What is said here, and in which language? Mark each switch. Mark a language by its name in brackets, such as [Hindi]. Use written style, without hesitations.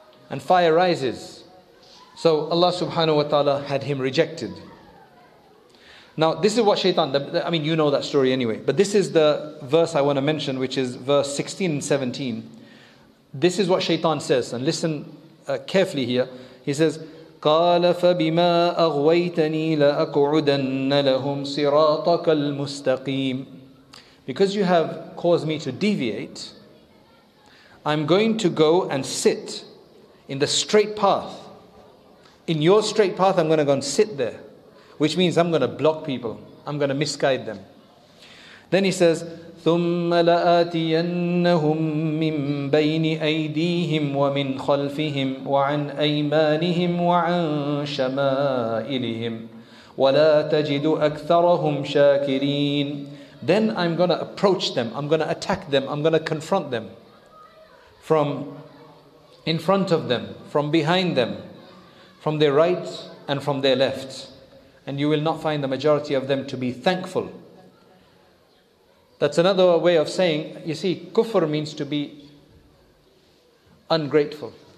[English] And fire rises. So Allah subhanahu wa ta'ala had him rejected. Now this is what shaitan, I mean you know that story anyway, but this is the verse I want to mention, which is verse 16 and 17. This is what shaitan says, and listen carefully here. [Arabic] He says, قَالَ فَبِمَا أَغْوَيْتَنِي لَأَقْعُدَنَّ لَهُمْ صِرَاطَكَ الْمُسْتَقِيمِ. [English] Because you have caused me to deviate, I'm going to go and sit in the straight path. In your straight path, I'm going to go and sit there. Which means I'm going to block people. I'm going to misguide them. [Arabic] Then he says, ثُمَّ لَآتِيَنَّهُمْ مِنْ بَيْنِ أَيْدِيهِمْ وَمِنْ خَلْفِهِمْ وَعَنْ أَيْمَانِهِمْ وَعَنْ شَمَائِلِهِمْ وَلَا تَجِدُ أَكْثَرَهُمْ شَاكِرِينَ. [English] Then I'm going to approach them. I'm going to attack them. I'm going to confront them. From in front of them, from behind them, from their right and from their left. And you will not find the majority of them to be thankful. That's another way of saying, you see, kufr means to be ungrateful.